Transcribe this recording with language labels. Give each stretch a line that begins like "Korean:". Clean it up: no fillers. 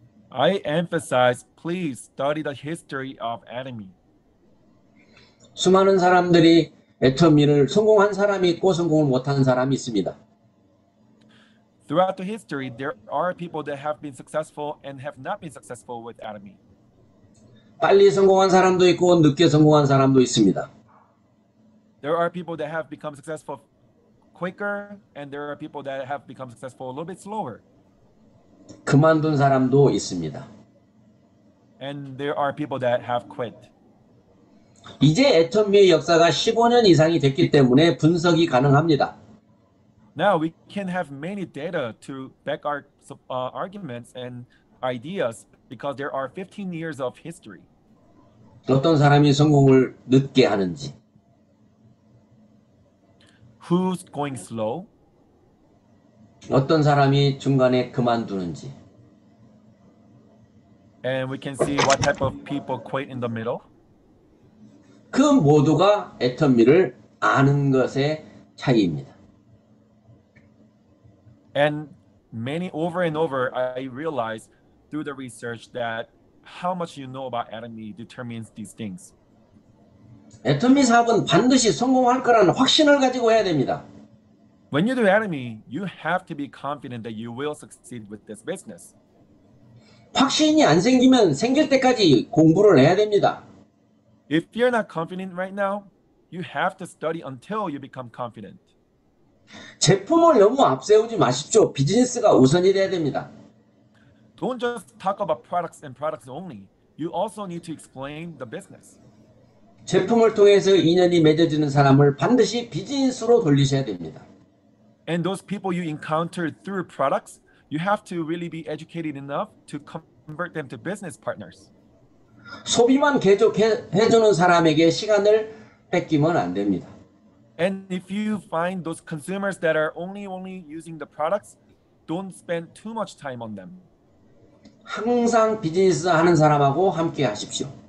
English: I emphasize, please study the history of anime.
Korean: 수많은 사람들이 애터미를 성공한 사람이 있고 성공을 못한 사람이 있습니다.
English: Throughout the history, there are people that have been successful and have not been successful with anime.
Korean: 빨리 성공한 사람도 있고 늦게 성공한 사람도 있습니다.
English: There are people that have become successful quicker and there are people that have become successful a little bit slower.
Korean: 그만둔 사람도 있습니다.
English: And there are people that have quit.
Korean: 이제 애터미의 역사가 15년 이상이 됐기 때문에 분석이 가능합니다.
English: Now we can have many data to back our arguments and ideas because there are 15 years of history.
Korean: 어떤 사람이 성공을 늦게 하는지.
English: Who's going slow?
Korean: 어떤 사람이 중간에 그만두는지.
English: And we can see what type of people quit in the middle.
Korean: 그 모두가 애터미를 아는 것의 차이입니다.
English: And many over and over, I realized through the research that how much you know about Atomy determines these things.
Korean: Atomy 사업은 반드시 성공할 거라는 확신을 가지고 해야 됩니다.
English: When you do Atomy, you have to be confident that you will succeed with this business.
Korean: 확신이 안 생기면 생길 때까지 공부를 해야 됩니다.
English: If you're not confident right now, you have to study until you become confident.
Korean: 제품을 너무 앞세우지 마십시오. 비즈니스가 우선이 돼야 됩니다.
English: Don't just talk about products and products only. You also need to explain the business.
Korean: 제품을 통해서 인연이 맺어지는 사람을 반드시 비즈니스로 돌리셔야 됩니다.
English: And those people you encounter through products, you have to really be educated enough to convert them to business partners.
Korean: 소비만 계속 해주는 사람에게 시간을 뺏기면 안 됩니다.
English: And if you find those consumers that are only using the products, don't spend too much time on them.
Korean: 항상 비즈니스 하는 사람하고 함께 하십시오.